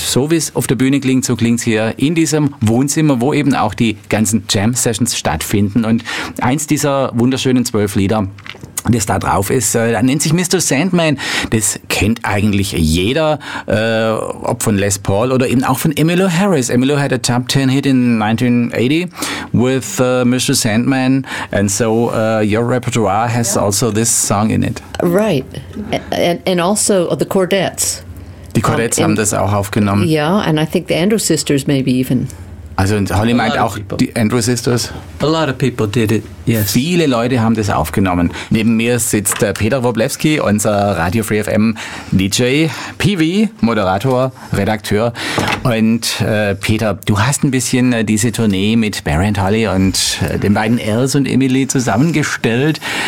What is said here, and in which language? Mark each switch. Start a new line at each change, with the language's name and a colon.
German: So wie es auf der Bühne klingt, so klingt es hier in diesem Wohnzimmer, wo eben auch die ganzen Jam-Sessions stattfinden. Und eins dieser wunderschönen 12 Lieder, das da drauf ist, da nennt sich Mr. Sandman. Das kennt eigentlich jeder, ob von Les Paul oder eben auch von Emilio Harris.
English: Emilio had a top 10 hit in 1980 with Mr. Sandman, and so your repertoire has also this song in it. Right, and also the Cordettes.
German: Die Cordettes haben das auch aufgenommen.
English: Yeah, and I think the Andrew Sisters maybe even.
German: Also und Holly a meint auch die Andrew Sisters?
English: A lot of people did it, yes.
German: Viele Leute haben das aufgenommen. Neben mir sitzt der Peter Woblewski, unser Radio Free FM DJ, PV, Moderator, Redakteur. Und Peter, du hast ein bisschen diese Tournee mit Barry und Holly und den beiden Els und Emily zusammengestellt.